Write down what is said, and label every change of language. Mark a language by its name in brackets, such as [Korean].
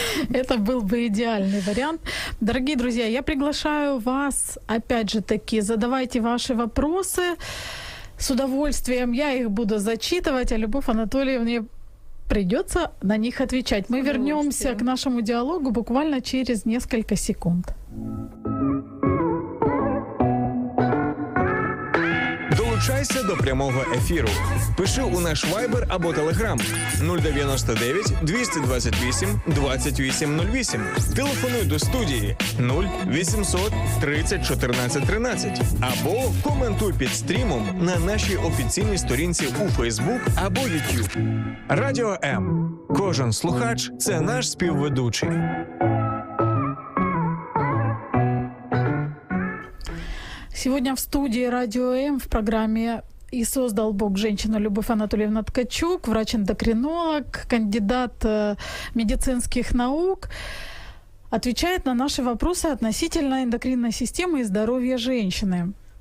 [Russian] Это был бы идеальный вариант. Дорогие друзья, я приглашаю вас, опять же таки, задавайте ваши вопросы. С удовольствием я их буду зачитывать, а Любовь Анатольевна придется на них отвечать. Мы вернемся к нашему диалогу буквально через несколько секунд. [Ukrainian] Долучайся до прямого ефіру. Пиши у наш Viber або Telegram 099-228-2808. Телефонуй до студії 0800-30-14-13 або коментуй під стрімом на нашій офіційній сторінці у Facebook або YouTube. Радіо М. Кожен слухач – це наш співведучий. [Russian] Сегодня в студии Радио М в программе «И создал Бог женщину» Любовь Анатольевна Ткачук, врач-эндокринолог, кандидат медицинских наук, отвечает на наши вопросы относительно эндокринной системы и здоровья женщины.